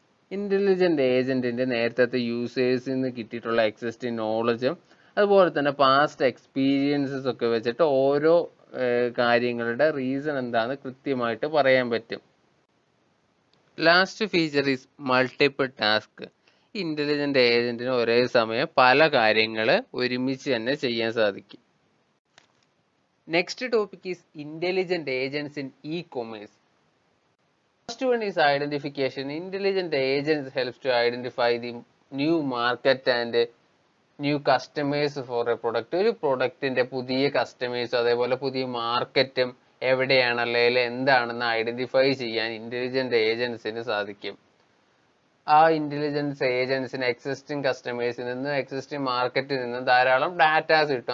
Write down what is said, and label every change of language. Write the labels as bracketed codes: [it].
[ml] Intelligent ഏജന്റിന്റെ നേരത്തെ യൂസേഴ്സിൽ നിന്ന് കിട്ടിയിട്ടുള്ള എക്സിസ്റ്റിംഗ് നോളജും അതുപോലെ തന്നെ പാസ്റ്റ് എക്സ്പീരിയൻസസ് ഒക്കെ വെച്ചിട്ട് ഓരോ കാര്യങ്ങളുടെ റീസൺ എന്താണെന്ന് കൃത്യമായിട്ട് പറയാൻ പറ്റും. [en] Last feature is multiple task. [ml] Intelligent ഏജന്റിന് ഒരേ സമയം പല കാര്യങ്ങൾ ഒരുമിച്ച് തന്നെ ചെയ്യാൻ സാധിക്കും. [en] Next topic is intelligent agents in e commerce. First one is identification. Intelligent agents helps to identify the new market and new customers for a product. [ml] ഒരു പ്രൊഡക്റ്റിന്റെ പുതിയ കസ്റ്റമേഴ്സ് അതേപോലെ പുതിയ മാർക്കറ്റും എവിടെയാണ് അല്ലെങ്കിൽ എന്താണെന്ന് ഐഡന്റിഫൈ ചെയ്യാൻ ഇന്റലിജന്റ് ഏജൻസിന് സാധിക്കും. ആ ഇന്റലിജൻസ് ഏജൻസിന് എക്സിസ്റ്റിംഗ് കസ്റ്റമേഴ്സിൽ നിന്നും എക്സിസ്റ്റിംഗ് മാർക്കറ്റിൽ നിന്നും ധാരാളം ഡാറ്റാസ് കിട്ടും.